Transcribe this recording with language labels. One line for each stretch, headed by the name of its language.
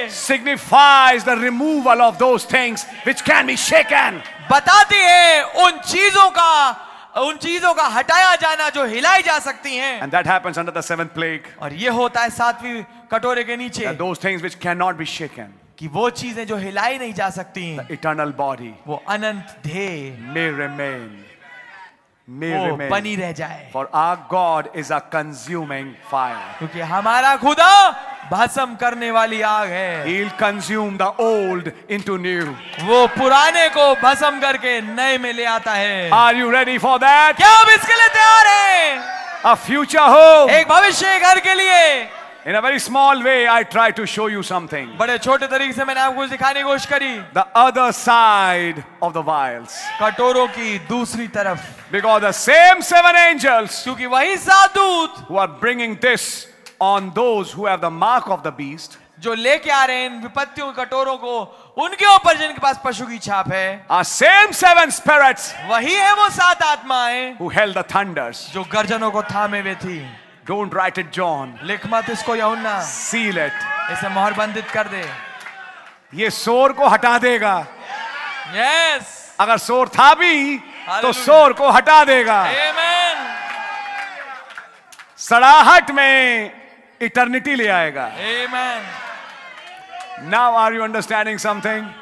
English: Signifies the removal of those things which can be shaken.
Hindi: बताती है उन चीजों का. उन चीजों का हटाया जाना जो हिलाई जा सकती हैं.
English: And that happens under the seventh plague.
Hindi: और ये होता है सातवीं कटोरे के नीचे.
English: That those things which cannot be shaken.
Hindi: कि वो चीजें जो हिलाई नहीं जा सकती हैं.
English: The eternal body.
Hindi: वो अनंत देह.
English: May remain. May
Hindi: वो
English: remain.
Hindi: बनी रह जाए.
English: For our God is a consuming fire.
Hindi: क्योंकि हमारा खुदा भस्म करने वाली आग है.
English: He'll consume the old into new.
Hindi: वो पुराने को भस्म करके नए में ले आता है.
English: Are you ready for that?
Hindi: क्या आप इसके लिए तैयार हैं?
English: A future hope.
Hindi: एक भविष्य घर के लिए.
English: In a very small way, I try to show you something.
Hindi: बड़े छोटे तरीके से मैंने आपको दिखाने की कोशिश करी.
English: The other side of the vials.
Hindi: कटोरों की दूसरी तरफ.
English: Because the same seven angels.
Hindi: क्योंकि वही सात दूत.
English: Who are bringing this on those who have the mark of the beast.
Hindi: जो लेके आ रहे हैं विपत्तियों के कटोरों को उनके ऊपर जिनके पास पशु की छाप है.
English: Our same seven spirits.
Hindi: वही है वो सात आत्माएं.
English: Who held the thunders.
Hindi: जो गर्जनों को थामे हुए थी.
English: Don't write it, John.
Hindi: लिख मत इसको यहुन्ना.
English: Seal it.
Hindi: इसे मोहर बंदित कर दे. ये सोर को हटा देगा.
English: Yes.
Hindi: अगर सोर था भी तो सोर को हटा देगा.
English: Amen.
Hindi: सड़ाहट में इटर्निटी ले आएगा.
English: Amen. Now are you understanding something?